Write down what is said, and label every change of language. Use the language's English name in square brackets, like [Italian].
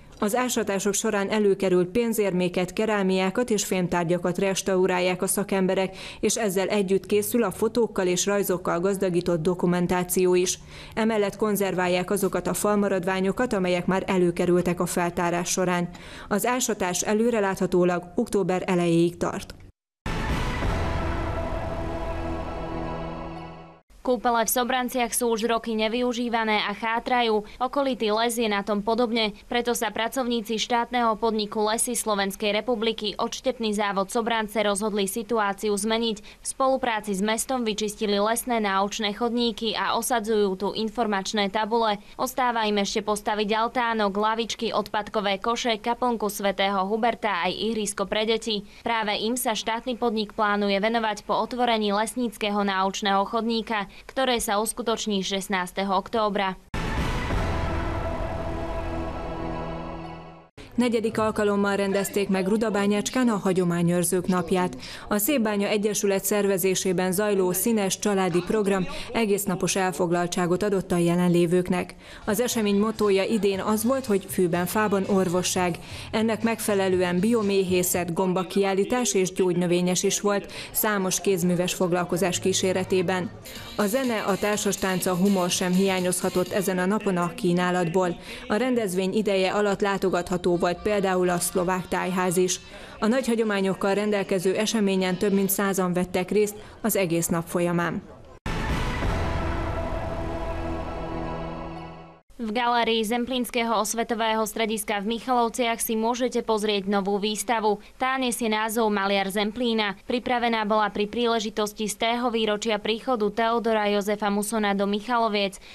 [Hungarian] Az ásatások során előkerült pénzérméket, kerámiákat és fémtárgyakat restaurálják a szakemberek, és ezzel együtt készül a fotókkal és rajzokkal gazdagított dokumentáció is. Emellett konzerválják azokat a falmaradványokat, amelyek már előkerültek a feltárás során. Az ásatás előreláthatólag október elejéig tart. [Slovak] Kúpele v Sobranciach sú už roky nevyužívané a chátrajú. Okolitý les je na tom podobne, preto sa pracovníci štátneho podniku Lesy Slovenskej republiky odštepný závod Sobrance rozhodli situáciu zmeniť. V spolupráci s mestom vyčistili lesné náučné chodníky a osadzujú tu informačné tabule. Ostáva im ešte postaviť altánok, lavičky, odpadkové koše, kaplnku svätého Huberta aj ihrisko pre deti. Práve im sa štátny podnik plánuje venovať po otvorení lesníckeho náučného chodníka, ktoré sa uskutoční 16. októbra. [Hungarian] Negyedik alkalommal rendezték meg Rudabányácskán a Hagyományőrzők napját. A Szépbánya Egyesület szervezésében zajló színes családi program egésznapos elfoglaltságot adott a jelenlévőknek. Az esemény motója idén az volt, hogy fűben fában orvosság. Ennek megfelelően bioméhészet, gombakiállítás és gyógynövényes is volt, számos kézműves foglalkozás kíséretében. A zene, a társastánc, a humor sem hiányozhatott ezen a napon a kínálatból. A rendezvény ideje alatt látogatható volt például a Szlovák Tájház is. A nagy hagyományokkal rendelkező eseményen több mint 100-an vettek részt az egész nap folyamán. [Slovak] V galérii Zemplínskeho osvetového strediska v Michalovciach si môžete pozrieť novú výstavu. Tá nesie názov Maliar Zemplína. Pripravená bola pri príležitosti 100. výročia príchodu Teodora Jozefa Musona do Michaloviec.